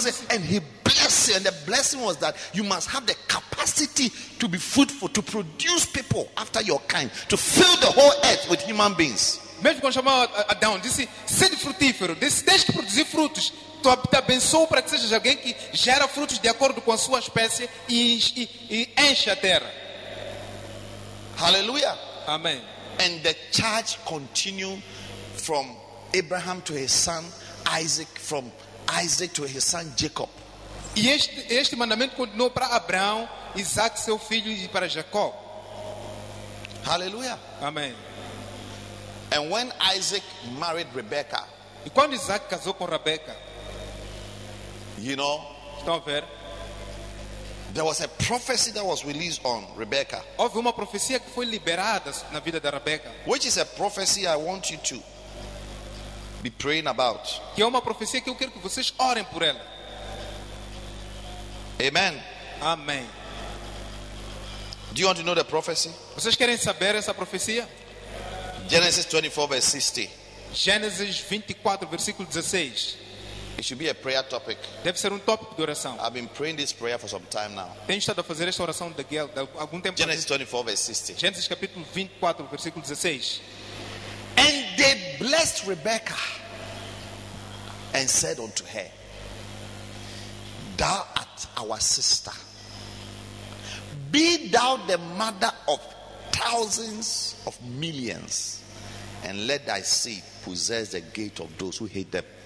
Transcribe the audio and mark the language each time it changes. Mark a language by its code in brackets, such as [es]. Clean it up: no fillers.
[en] said, and he blessed him, and the blessing was that you must have the capacity to be fruitful, to produce people after your kind, to fill the whole earth with human beings. [pt] Mesmo quando chamou Adão, disse, "Sede frutífero, deixe-te produzir frutos. Tu abençoa para que sejas alguém que gera frutos de acordo com a sua espécie e enche a terra." [en] Hallelujah. [pt] Amém. [en] And the charge continued from Abraham to his son Isaac, from Isaac to his son Jacob. [pt] E este mandamento continuou para Abraão, Isaac seu filho, e para Jacob. [en] Hallelujah. [pt] Amém. [en] And when Isaac married Rebecca, [pt] e quando Isaac casou com Rebecca, [en] you know, [pt] estão a ver, [en] there was a prophecy that was released on Rebecca. [pt] Houve uma profecia que foi liberada na vida da Rebecca. [en] Which is a prophecy I want you to be praying about. [pt] Que é uma profecia que eu quero que vocês orem por ela. [en] Amen. [pt] Amém. [en] Do you want to know the prophecy? [pt] Vocês querem saber essa profecia? [en] Genesis 24 verse 16. [pt] Gênesis 24 versículo 16. [en] It should be a prayer topic. [pt] Deve ser tópico de oração. [en] I've been praying this prayer for some time now. [pt] Tenho estado a fazer esta oração de algum tempo. [en] Genesis 24 verse 16. [pt] Gênesis capítulo 24 versículo 16. [en] And they blessed Rebekah and said unto her, "Thou art our sister. Be thou the mother of thousands of millions, and let thy seed possess the gate of those who hate them."